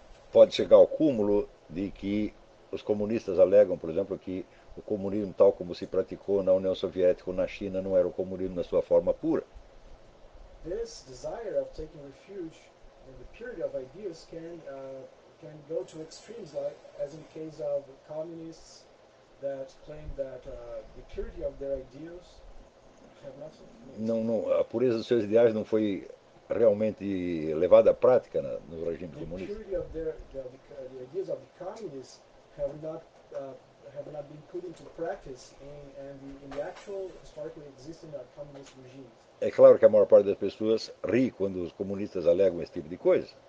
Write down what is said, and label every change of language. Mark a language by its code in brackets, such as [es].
[pt] Pode chegar ao cúmulo de que os comunistas alegam, por exemplo, que o comunismo tal como se praticou na União Soviética ou na China não era o comunismo na sua forma pura. [en] This desire of taking refuge in the purity of ideas can go to extremes, like as in the case of communists that claim that the purity of their ideas have nothing. [pt] Não, a pureza dos seus ideais não foi realmente levada à prática no regime comunista. [en] The ideas of the communists have not been put into practice in the actual historically existing communist regime. [pt] É claro que a maior parte das pessoas ri quando os comunistas alegam esse tipo de coisa.